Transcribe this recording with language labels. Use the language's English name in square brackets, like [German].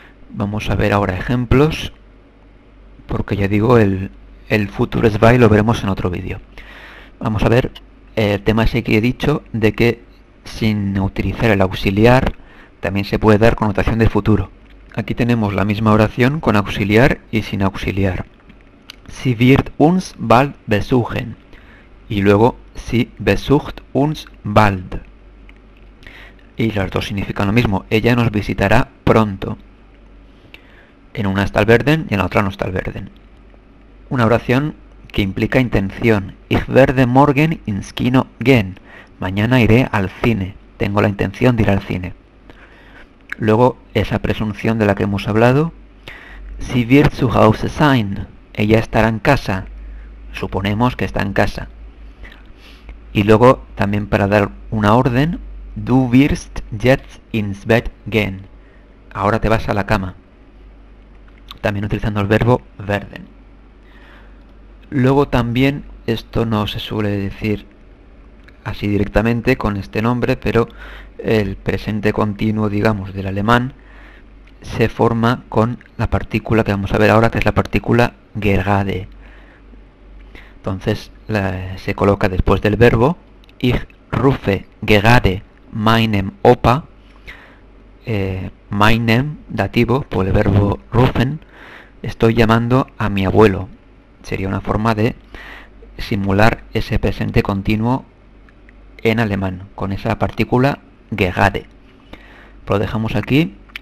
[Spanish] Vamos a ver ahora ejemplos. Porque ya digo, el futuro es by, lo veremos en otro vídeo. Vamos a ver el tema ese que he dicho de que sin utilizar el auxiliar también se puede dar connotación de futuro. Aquí tenemos la misma oración con auxiliar y sin auxiliar. [German] Sie wird uns bald besuchen. [Spanish] Y luego, [German] sie besucht uns bald. [Spanish] Y las dos significan lo mismo. Ella nos visitará pronto. En una está el werden y en la otra no está el werden. Una oración que implica intención. [German] Ich werde morgen ins Kino gehen. [Spanish] Mañana iré al cine. Tengo la intención de ir al cine. Luego, esa presunción de la que hemos hablado. [German] Sie wird zu Hause sein. [Spanish] Ella estará en casa. Suponemos que está en casa. Y luego, también para dar una orden. [German] Du wirst jetzt ins Bett gehen. [Spanish] Ahora te vas a la cama. También utilizando el verbo werden. Luego también, esto no se suele decir así directamente con este nombre, pero el presente continuo, digamos, del alemán se forma con la partícula que vamos a ver ahora, que es la partícula gerade. Entonces se coloca después del verbo. [German] Ich rufe gerade meinem Opa. [Spanish] Meinem, dativo, por el verbo rufen. Estoy llamando a mi abuelo. Sería una forma de simular ese presente continuo en alemán, con esa partícula gerade. Lo dejamos aquí.